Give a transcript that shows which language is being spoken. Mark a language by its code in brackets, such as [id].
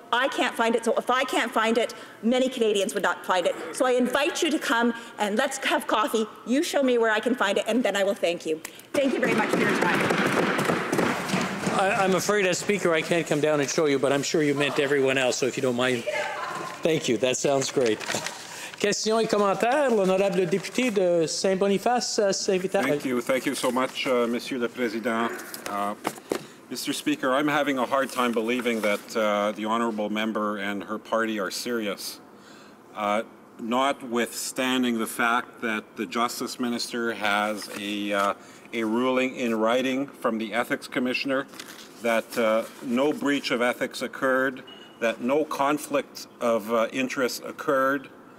[en] I can't find it, so if I can't find it, many Canadians would not find it. So I invite you to come and let's have coffee. You show me where I can find it, and then I will thank you. Thank you very much for your time. I'm afraid as Speaker I can't come down and show you, but I'm sure you meant everyone else, so if you don't mind. Thank you. That sounds great. [fr] Questions et commentaires, l'honorable député de Saint-Boniface, Saint-Vital. [en] Thank you so much, [fr] Monsieur le Président. [en] Mr. Speaker, I'm having a hard time believing that the honorable member and her party are serious, notwithstanding the fact that the Justice Minister has a ruling in writing from the Ethics Commissioner that no breach of ethics occurred, that no conflict of interest occurred,